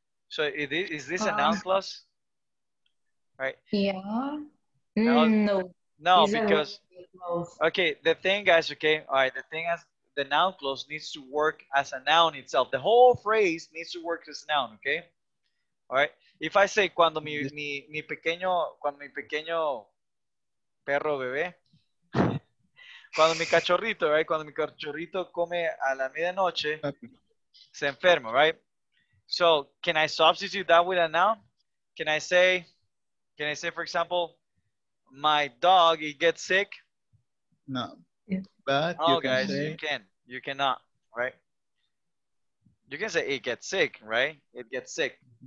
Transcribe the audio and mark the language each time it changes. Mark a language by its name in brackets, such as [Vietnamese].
[English] So is this a noun clause? Right. Yeah. No, because okay, the thing guys, okay. All right, the thing is the noun clause needs to work as a noun itself. The whole phrase needs to work as a noun, okay? All right. If I say [Spanish] cuando mi pequeño perro bebé cuando mi cachorrito, right? Cuando mi cachorrito come a la medianoche, se enfermo, right? [English] So, can I substitute that with a noun? Can I say, for example, my dog, he gets sick? No. But no, you cannot, right? You can say, it gets sick, right? It gets sick.